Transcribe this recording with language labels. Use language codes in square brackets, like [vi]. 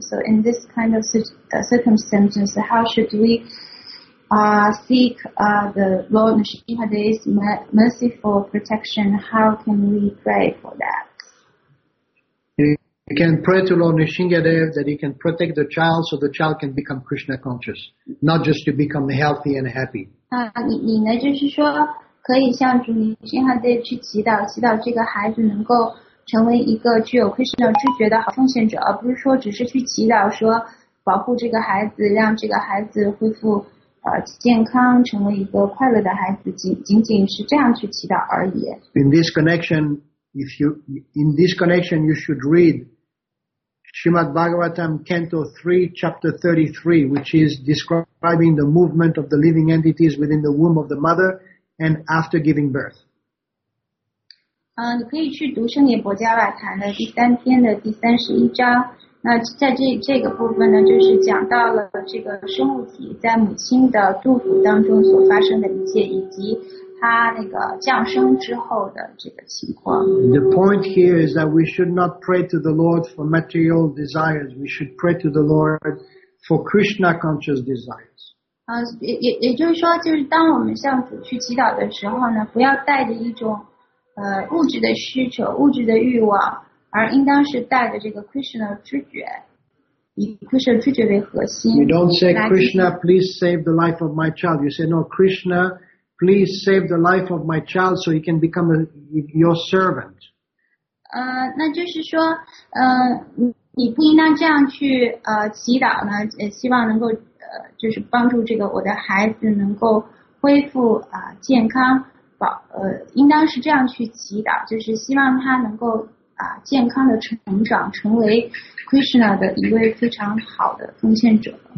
[en] So in this kind of circumstances, how should we seek the Lord Nishimhadev's merciful protection? How can we pray for that? You can pray to Lord Nishimhadev that he can protect the child so the child can become Krishna conscious, not just to become healthy and happy. [zh] 你呢就是说可以向主您心哈德去祈祷，祈祷这个孩子能够成为一个具有 Krishna 知觉的好奉献者，而不是说只是去祈祷说保护这个孩子，让这个孩子恢复健康，成为一个快乐的孩子，仅仅是这样去祈祷而已。 [en] In this connection, you should read Srimad Bhagavatam Canto 3, Chapter 33, which is describing the movement of the living entities within the womb of the mother and after giving birth. [zh] 你可以去读圣典波迦瓦坛的第三篇的第三十一章。那在这个部分呢，就是讲到了这个生物体在母亲的肚腹当中所发生的一切，以及他那个降生之后的这个情况。 [en] The point here is that we should not pray to the Lord for material desires. We should pray to the Lord for Krishna conscious desires. [zh] 也就是说，就是当我们向主去祈祷的时候呢，不要带着一种物质的需求、物质的欲望，而应当是带着这个 Krishna 知觉。 [en] You don't say, Krishna, please save the life of my child. You say, no, Krishna, please save the life of my child so he can become your servant. [zh] 那就是说，你不应当这样去祈祷呢，希望能够就是帮助这个我的孩子能够恢复健康，应当是这样去祈祷，就是希望他能够健康的成长，成为 Krishna 的一位非常好的奉献者。